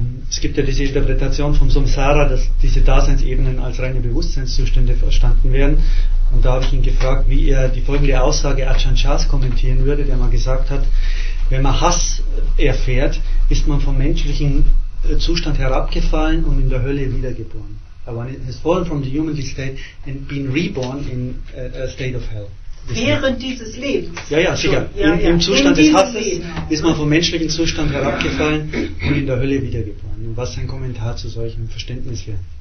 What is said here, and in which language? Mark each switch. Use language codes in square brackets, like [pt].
[de] Es gibt ja diese Interpretation vom Samsara, dass diese Daseinsebenen als reine Bewusstseinszustände verstanden werden. Und da habe ich ihn gefragt, wie er die folgende Aussage Ajahn Chahs kommentieren würde, der mal gesagt hat, wenn man Hass erfährt, ist man vom menschlichen Zustand herabgefallen und in der Hölle wiedergeboren. [en] When it has fallen from the human state and been reborn in a state of hell. [de] Während dieses Lebens. Ja, ja, sicher. Im Zustand des Hasses ist man vom menschlichen Zustand herabgefallen und in der Hölle wiedergeboren. Und was sein Kommentar zu solchem Verständnis wäre?